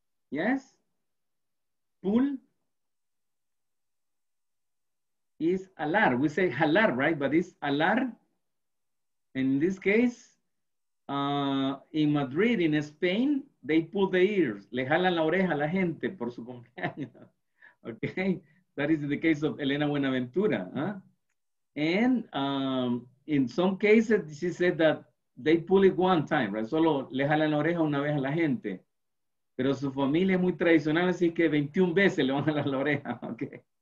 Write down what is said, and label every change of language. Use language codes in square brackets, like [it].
[en] Yes, pull is alar. We say halar, right? But it's alar. In this case, in Madrid, in Spain, they pull the ears. [es] Le jalan la oreja a la gente por su cumpleaños. [en] Okay, that is the case of Elena Buenaventura. And in some cases, she said that they pull it one time, right? [es] Solo le jalan la oreja una vez a la gente. Pero su familia es muy tradicional, así que 21 veces le van a jalar la oreja, okay?